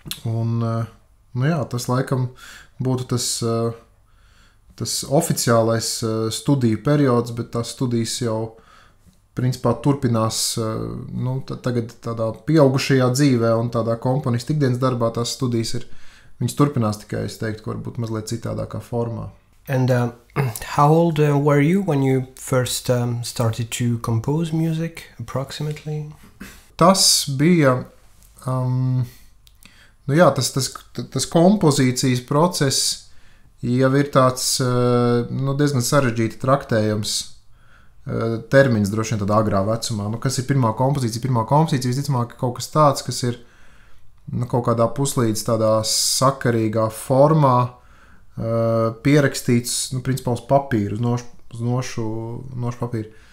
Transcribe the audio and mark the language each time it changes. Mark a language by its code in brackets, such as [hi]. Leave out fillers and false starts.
[lv] Un, nu jā, tas laikam būtu tas oficiālais studiju periods, bet tās studijas jau principā turpinās nu, tagad tādā pieaugušajā dzīvē un tādā komponista ikdienas darbā tās studijas ir, viņas turpinās tikai, es teiktu, varbūt mazliet citādākā formā. [en] And how old were you when you first started to compose music approximately? [lv] tas bija nu jā, tas kompozīcijas process jau ir tāds nu diezgan sarežģīti traktējums termins droši vien tādā agrā vecumā. Nu, kas ir pirmā kompozīcija? Pirmā kompozīcija visticamāk kaut kas tāds, kas ir nu, kaut kādā puslīdz tādā sakarīgā formā pierakstīts nu, principā uz papīru, uz nošu papīru.